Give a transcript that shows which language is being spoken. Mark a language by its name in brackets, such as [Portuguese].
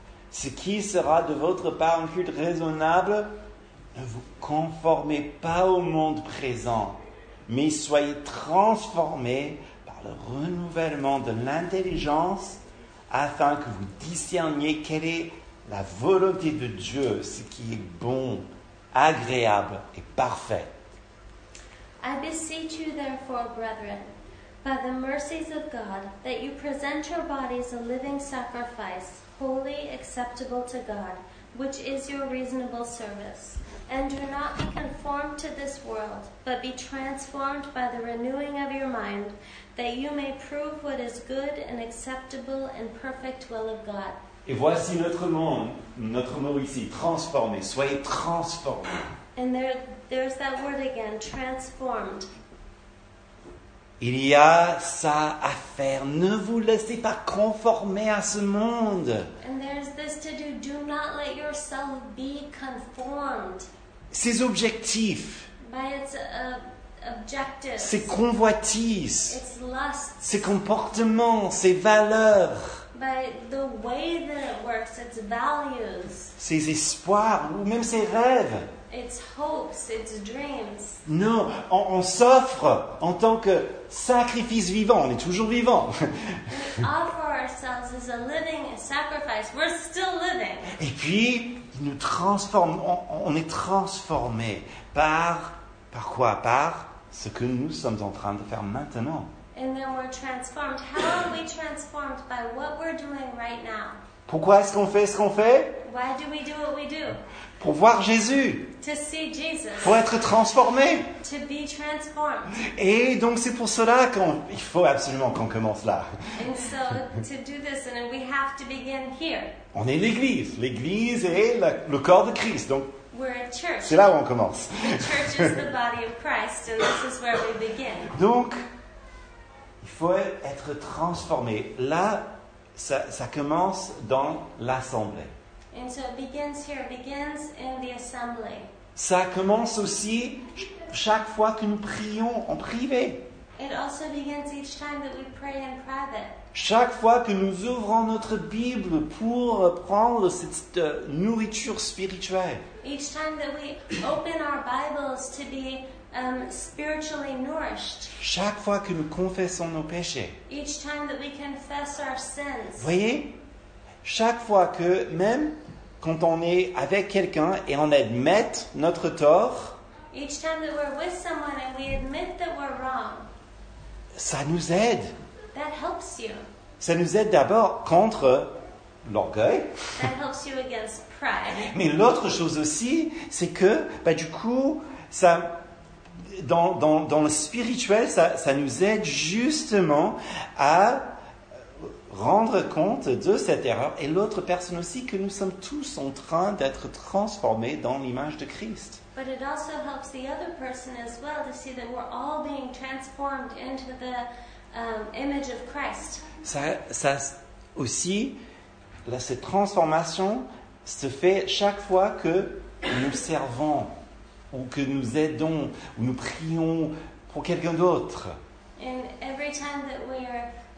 [French] Ce qui sera de votre part un culte raisonnable, ne vous conformez pas au monde présent, mais soyez transformés par le renouvellement de l'intelligence afin que vous discerniez quelle est la volonté de Dieu, ce qui est bon, agréable et parfait. [English] I beseech you, therefore, brethren, by the mercies of God, that you present your bodies a living sacrifice, holy, acceptable to God, which is your reasonable service. And do not be conformed to this world, but be transformed by the renewing of your mind, that you may prove what is good and acceptable and perfect will of God. [French] Et voici notre mot ici, transformé. Soyez transformé. [English] And there's that word again, transformed. [French] Il y a ça à faire. Ne vous laissez pas conformer à ce monde. [English] And there's this to do. Do not let yourself be conformed. [French] Ses objectifs. [English] By its objectives. [French] Ses convoitises. [English] Its lusts. [French] Ses comportements, ses valeurs. [English] By the way that it works, its values. [French] Ses espoirs ou même ses rêves. [English] It's hopes, it's dreams. [French] Non, on s'offre en tant que sacrifice vivant. On est toujours vivant. [English] We offer ourselves as a living sacrifice. We're still living. [French] Et puis, il nous transforme. On est transformé par quoi? Par ce que nous sommes en train de faire maintenant. [English] And then we're transformed. How are we transformed? By what we're doing right now. [French] Pourquoi est-ce qu'on fait ce qu'on fait? [English] Why do we do what we do? [French] Pour voir Jésus. [English] To see Jesus. [French] Pour être transformé. [English] To be transformed. [French] Et donc c'est pour cela qu'on il faut absolument qu'on commence là. [English] And so to do this and we have to begin here. [French] On est l'Église. L'Église est le corps de Christ. Donc [English] we're a church. [French] C'est là où on commence. [English] The church is the body of Christ and this is where we begin. [French] Donc il faut être transformé. Là ça commence dans l'assemblée. [English] And so it begins here, it begins in the assembly. [French] Ça commence aussi chaque fois que nous prions en privé. [English] It also begins each time that we pray in private. [French] Chaque fois que nous ouvrons notre Bible pour prendre cette nourriture spirituelle. [English] Each time that we open our Bibles to be spiritually nourished. [French] Chaque fois que nous confessons nos péchés. [English] Each time that we confess our sins. [French] Voyez, chaque fois que, même quand on est avec quelqu'un et on admet notre tort, [English] each time that we're with someone and we admit that we're wrong, [French] ça nous aide. [English] That helps you. [French] Ça nous aide d'abord contre l'orgueil. [English] That helps you against pride. [French] Mais l'autre chose aussi, c'est que, bah, du coup, ça, dans le spirituel, ça nous aide justement à rendre compte de cette erreur et l'autre personne aussi que nous sommes tous en train d'être transformés dans l'image de Christ. [English] But it also helps the other person as well to see that we're all being transformed into the image of Christ. [French] Ça aussi, là, cette transformation se fait chaque fois que nous servons ou que nous aidons ou nous prions pour quelqu'un d'autre. [English] And every time that we're